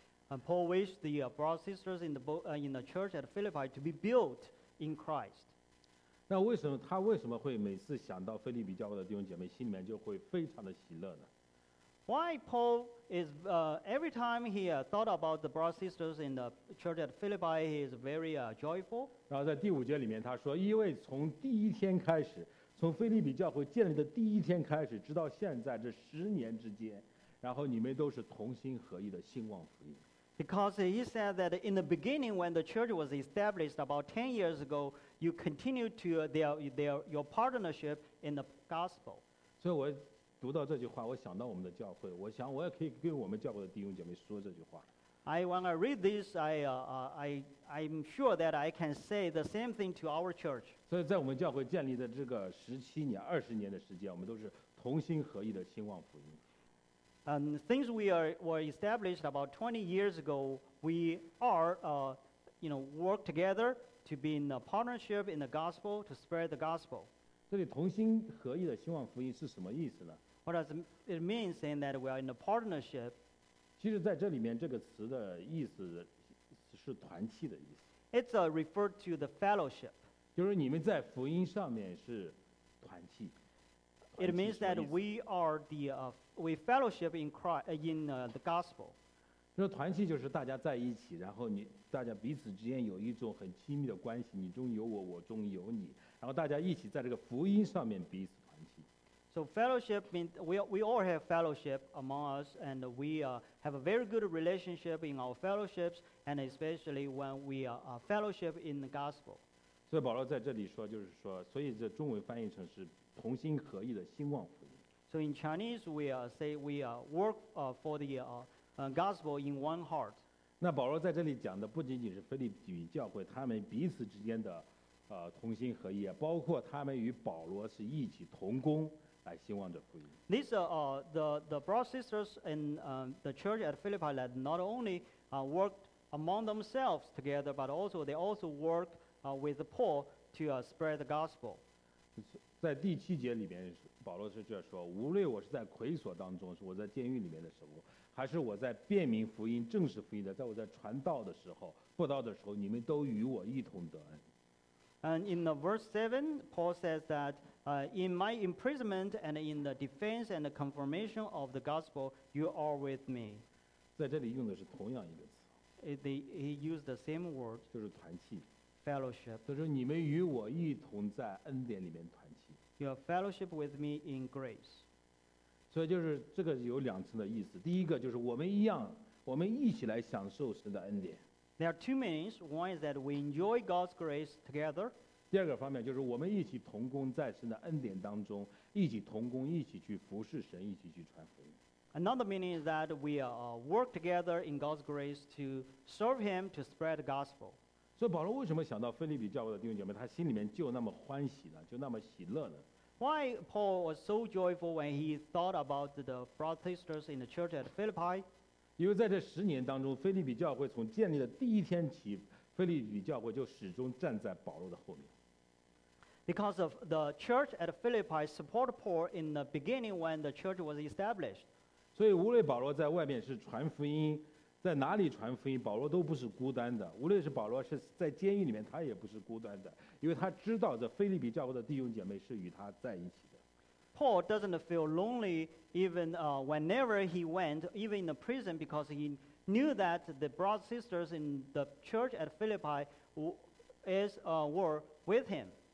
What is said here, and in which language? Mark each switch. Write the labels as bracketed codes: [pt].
[en] And Paul wished the brothers and sisters in the church at Philippi to be built in Christ. [zh] 那为什么他为什么会每次想到腓立比教会的弟兄姐妹，心里面就会非常的喜乐呢？ [en] Why Paul is every time he thought about the brothers and sisters in the church at Philippi, he is very joyful. [zh] 然后在第五节里面他说，因为从第一天开始，从腓立比教会建立的第一天开始，直到现在这十年之间，然后你们都是同心合意的兴旺福音。 [en] Because he said that in the beginning, when the church was established about 10 years ago, you continued to your partnership in the gospel. [zh] 所以我读到这句话，我想到我们的教会，我想我也可以跟我们教会的弟兄姐妹说这句话。 [en] I when I read this, I'm sure that I can say the same thing to our church. [zh] 所以在我们教会建立的这个17年、20年的时间，我们都是同心合意的兴旺福音。 [en] And things were established about 20 years ago, we are, work together to be in a partnership in the gospel, to spread the gospel. [zh] 这里同心合意的兴旺福音是什么意思呢？ [en] What does it mean saying that we are in a partnership? [zh] 其实在这里面这个词的意思是团契的意思。 [en] It's referred to the fellowship. [zh] 就是你们在福音上面是团契。 [en] It means that we are the we fellowship in Christ in the gospel. [zh] 那团契就是大家在一起，然后你大家彼此之间有一种很亲密的关系，你中有我，我中有你，然后大家一起在这个福音上面彼此团契。 [en] So fellowship means we all have fellowship among us, and we have a very good relationship in our fellowships, and especially when we are fellowship in the gospel. [zh] 所以保罗在这里说，就是说，所以这中文翻译成是。同心合意的兴旺福音。 [en] So in Chinese, we say we work for the gospel in one heart. [zh] 那保罗在这里讲的不仅仅是腓立比教会他们彼此之间的同心合意，包括他们与保罗是一起同工来兴旺这福音。 [en] This the brothers and sisters in the church at Philippi that not only worked among themselves together, but also they also work with Paul to spread the gospel. [zh] 在第七节里面，保罗是这说：无论我是在魁所当中，是我在监狱里面的时候，还是我在辩明福音、正式福音的，在我在传道的时候、布道的时候，你们都与我一同得恩。 [en] And in the verse 7, Paul says that, in my imprisonment and in the defense and the confirmation of the gospel, you are with me. [zh] 在这里用的是同样一个词。 [en] He used the same word. [zh] 就是团契。 [en] Fellowship. [zh] 就是你们与我一同在恩典里面团。 [en] Your fellowship with me in grace. [zh] 所以就是这个有两层的意思。第一个就是我们一样，我们一起来享受神的恩典。 [en] There are two meanings. One is that we enjoy God's grace together. [zh] 第二个方面就是我们一起同工在神的恩典当中，一起同工，一起去服侍神，一起去传福音。 [en] Another meaning is that we work together in God's grace to serve Him to spread the gospel. [zh] 所以保罗为什么想到腓立比教会的弟兄姐妹，他心里面就那么欢喜呢？就那么喜乐呢 [en] ？Why Paul was so joyful when he thought about the brothers and sisters in the church at Philippi? [zh] 因为在这十年当中，腓立比教会从建立的第一天起，腓立比教会就始终站在保罗的后面。 [en] Because of the church at Philippi support Paul in the beginning when the church was established. [zh] 所以无论保罗在外面是传福音。在哪里传福音，保罗都不是孤单的。无论是保罗是在监狱里面，他也不是孤单的，因为他知道这腓立比教会的弟兄姐妹是与他在一起的。 [en] Paul doesn't feel lonely even whenever he went, even in the prison, because he knew that the brothers sisters in the church at Philippi were with him.